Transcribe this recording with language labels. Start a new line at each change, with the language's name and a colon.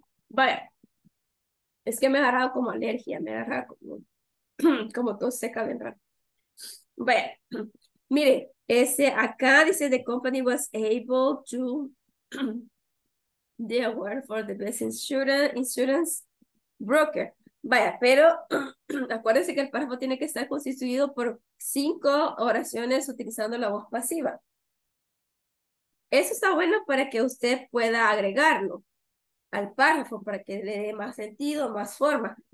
Spanish: Vaya, es que me ha agarrado como alergia, me ha agarrado como tos seca bien raro. Vaya, mire, acá dice,
English: the company was able to the award for the best insurance broker.
Spanish: Vaya, pero acuérdense que el párrafo tiene que estar constituido por 5 oraciones utilizando la voz pasiva. Eso está bueno para que usted pueda agregarlo. al párrafo para que le dé más sentido, más forma.